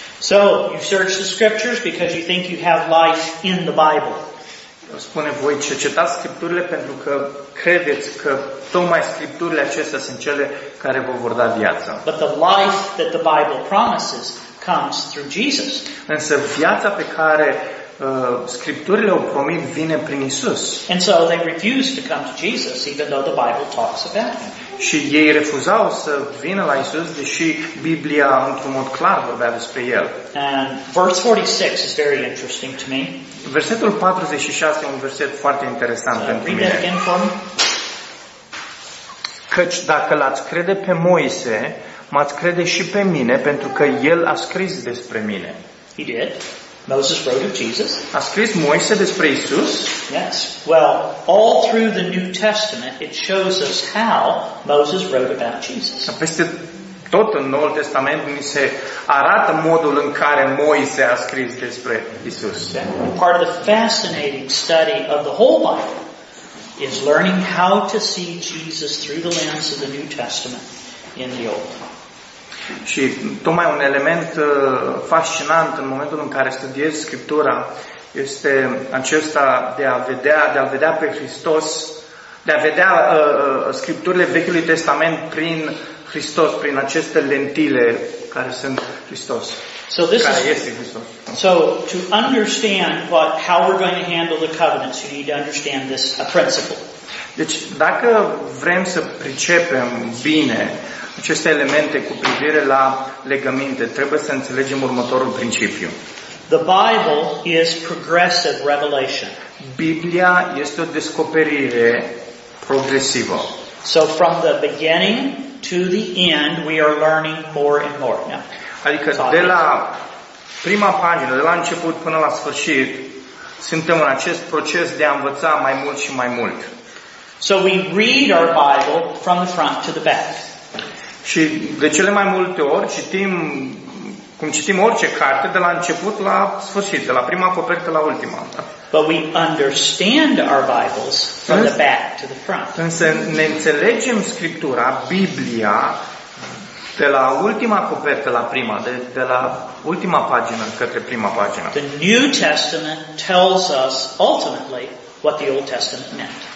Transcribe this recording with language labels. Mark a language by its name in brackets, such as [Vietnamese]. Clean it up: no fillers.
[English] So you search the scriptures because you think you have life in the Bible. [Romanian] Spune voi, cercetați scripturile pentru că credeți că tocmai scripturile acestea sunt cele care vă vor da viața. [English] But the life that the Bible promises comes through Jesus. [Romanian] Însă viața pe care scripturile au promit vine prin Isus. [English] And so they refused to come to Jesus even though the Bible talks about him. [Romanian] Și ei refuzau să vină la Isus deși Biblia într-un mod clar vorbea despre el. [English] And verse 46 is very interesting to me. [Romanian] Versetul 46 e un verset foarte interesant pentru mine. [English] Read it again for me. [Romanian] Căci dacă l-ați crede pe Moise, m-ați crede și pe mine, pentru că el a scris despre mine. [English] He did. Moses wrote of Jesus. [Romanian] A scris Moise despre Isus? [English] Yes. Well, all through the New Testament, it shows us how Moses wrote about Jesus. [Romanian] Peste tot în Noul Testament ni se arată modul în care Moise a scris despre Isus. [English] Okay. Part of the fascinating study of the whole Bible is learning how to see Jesus through the lens of the New Testament in the Old. [Romanian] Și tocmai un element fascinant în momentul în care studiezi Scriptura este acesta de a vedea, de a vedea pe Hristos, de a vedea Scripturile Vechiului Testament prin Hristos, prin aceste lentile care sunt Hristos. [English] So this [Romanian] care [English] is, [Romanian] este Hristos. [English] So to understand what how we're going to handle the covenants, you need to understand this a principle. [Romanian] Deci dacă vrem să pricepem bine aceste elemente cu privire la legăminte, trebuie să înțelegem următorul principiu. [English] The Bible is progressive revelation. [Romanian] Biblia este o descoperire progresivă. [English] So from the beginning to the end we are learning more and more. Now, [Romanian] adică de la prima pagină, de la început până la sfârșit, suntem în acest proces de a învăța mai mult și mai mult. [English] So we read our Bible from the front to the back. [Romanian] Și de cele mai multe ori citim, cum citim orice carte, de la început la sfârșit, de la prima copertă la ultima. [English] But we understand our Bibles from the back to the front. [Romanian] Însă ne înțelegem Scriptura, Biblia, de la ultima copertă la prima, de la ultima pagină către prima pagină. [English] The New Testament tells us ultimately what the Old Testament meant.